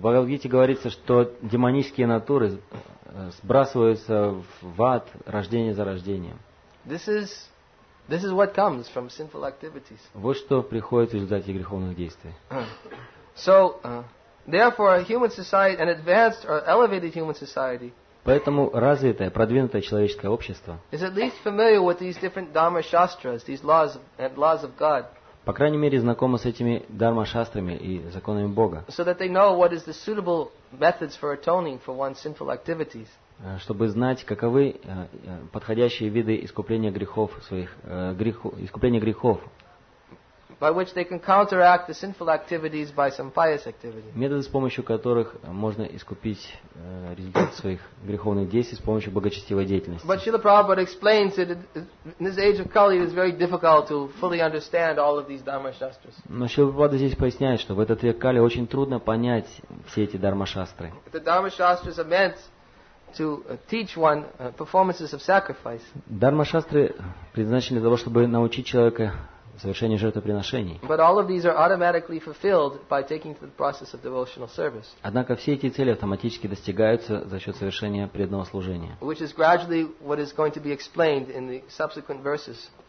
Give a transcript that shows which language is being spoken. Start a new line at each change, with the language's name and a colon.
Russian: Бхагавад Гите говорится, что демонические натуры сбрасываются в ад рождение за рождением.
English: This is what comes from sinful activities.
Russian: Вот что приходит в результате греховных действий.
English: So therefore, a human society, an advanced or elevated human society,
Russian: поэтому развитое, продвинутое человеческое общество,
English: is at least familiar with these different dharma shastras, these laws and laws of God.
Russian: По крайней мере, знакомо с этими дхарма шастрами и законами Бога.
English: So that they know what is the suitable methods for atoning for one's sinful activities.
Russian: Чтобы знать, каковы подходящие виды искупления грехов своих, искупления грехов.
English: By which they can counteract the sinful activities by some pious activity.
Russian: Методы, с помощью которых можно искупить результат своих греховных действий с помощью благочестивой деятельности.
English: But Srila Prabhupada explains that in this age of Kali it is very difficult to fully understand all of these dharma shastras.
Russian: Но Srila Prabhupada здесь поясняет, что в этот век Кали очень трудно понять все эти дхарма шастры.
English: The dharma shastras are meant to teach one performances of sacrifice.
Russian: Дхарма шастры предназначены для того, чтобы научить человека совершение жертвоприношений.
English: But all of these are automatically fulfilled by taking to the process of devotional service.
Russian: Однако все эти цели автоматически достигаются за счет совершения преданного служения.
English: Which is gradually what is going to be explained in the subsequent verses.